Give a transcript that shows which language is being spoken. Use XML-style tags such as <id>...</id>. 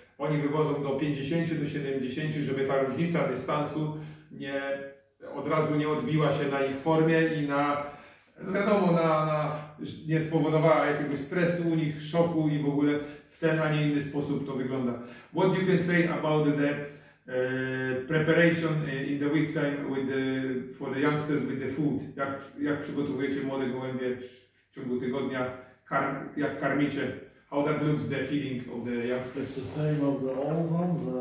<pl>Oni wywożą do 50 do 70, żeby ta różnica dystansu nie, od razu nie odbiła się na ich formie i na, wiadomo, na nie spowodowała jakiegoś stresu u nich, szoku i w ogóle w ten, a nie inny sposób to wygląda.</pl> <en>What you can say about the preparation in the week time with the, for the youngsters with the food?</en> <pl>Jak przygotowujecie młode gołębie w ciągu tygodnia, jak karmicie?</pl> <en>How that looks, the feeding of the youngsters? It's the same of the old one,</en>